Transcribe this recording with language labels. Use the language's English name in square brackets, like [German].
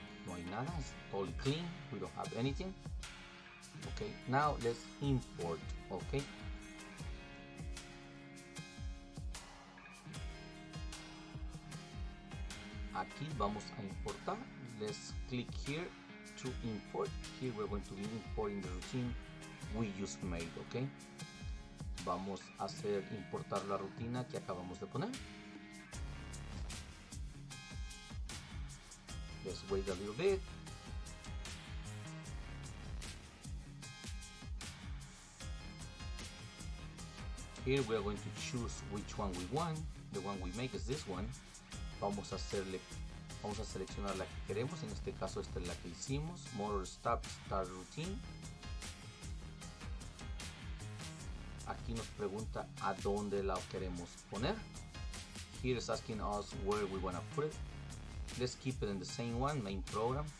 [Spanish] No hay nada, [English] it's all clean, we don't have anything. Okay, now let's import, okay? [Spanish] Aquí vamos a importar. [English] Let's click here to import. Here we're going to be importing the routine we just made, okay? [Spanish] Vamos a hacer importar la rutina que acabamos de poner. [English] Let's wait a little bit. Here we are going to choose which one we want. The one we make is this one. [Spanish] Vamos a seleccionar la que queremos. En este caso, esta es la que hicimos. Motor stop start routine. Aquí nos pregunta a dónde la queremos poner. [English] Here is asking us where we want to put it. Let's keep it in the same one, main program.